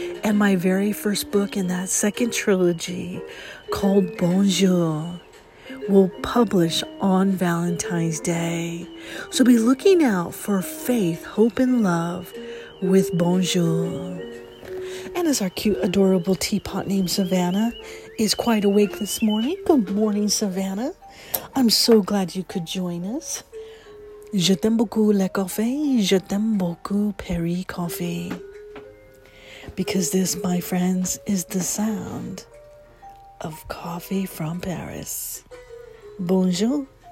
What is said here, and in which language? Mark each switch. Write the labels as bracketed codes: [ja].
[en] And my very first book in that second trilogy, called Bonjour, will publish on Valentine's Day. So be looking out for faith, hope, and love with Bonjour. And as our cute, adorable teapot named Savannah is quite awake this morning. Good morning, Savannah. I'm so glad you could join us. [fr] Je t'aime beaucoup le café. Je t'aime beaucoup Paris café. [en] Because this, my friends, is the sound of coffee from Paris. Bonjour.